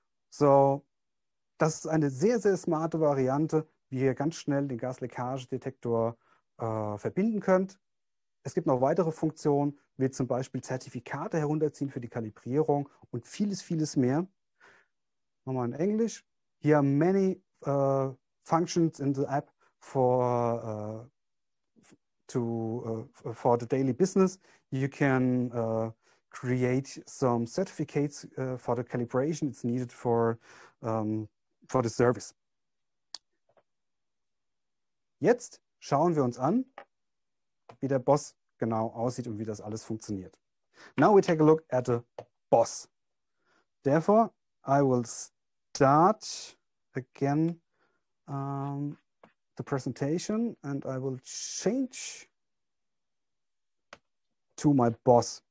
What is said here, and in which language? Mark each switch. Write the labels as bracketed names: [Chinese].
[German] So, das ist eine sehr, sehr smarte Variante, wie ihr ganz schnell den Gasleckagedetektor verbinden könnt. Es gibt noch weitere Funktionen, wie zum Beispiel Zertifikate herunterziehen für die Kalibrierung und vieles, vieles mehr. Nochmal in Englisch. [English] Here are many functions in the app for the daily business. You can create some certificates for the calibration it's needed for the service. [German] Jetzt schauen wir uns an, wie der Boss genau aussieht und wie das alles funktioniert. [English] Now we take a look at the Boss. Therefore, I will start again the presentation, and I will change to my Boss.